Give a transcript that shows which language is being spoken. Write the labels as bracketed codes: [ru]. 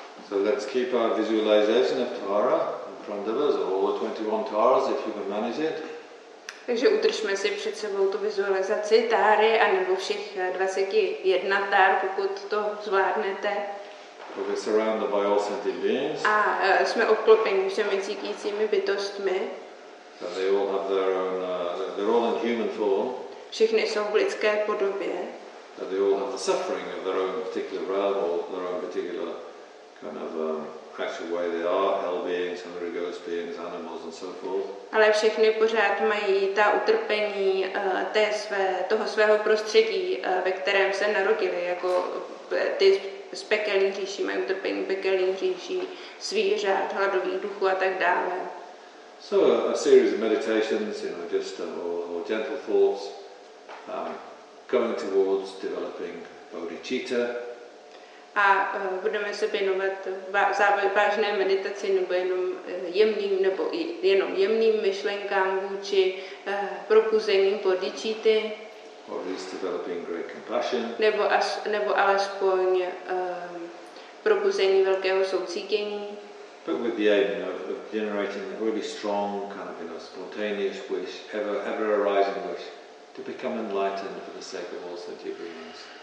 [en] let's keep our visualization of Tara in front of us, all the 21 Taras if you can manage it. [cs] Takže udržme si před sebou tu vizualizaci Tary a nebo všech 21 Tar, pokud to zvládnete. [en] We're surrounded by all sentient beings. [cs] A jsme obklopeni všemi cítícími bytostmi. [en] And they all have their own, they're all in human form. [cs] Všichni jsou v lidské podobě. [en] And they all have the suffering of their own particular realm or their own particular kind of actual way they are, hell beings, hungry ghost beings, animals and so forth. [cs] Ale všichni pořád mají ta utrpení toho svého prostředí, ve kterém se narodili, jako ty z pekelní říši, mají utrpení pekelní říši, zvířat, hladových duchů a tak dále. [en] So a series of meditations, you know, just or gentle thoughts, going towards developing bodhicitta. [cs] A budeme se věnovat vážné meditaci nebo jenom jemným nebo jenom jemným myšlenkám vůči probuzení bodhicitty. [en] Or at least developing great compassion. [cs] Nebo alespoň probuzení velkého soucítění. [en] But with the aim of generating a really strong, kind of, you know, spontaneous wish, ever arising wish, to become enlightened for the sake of all sentient beings.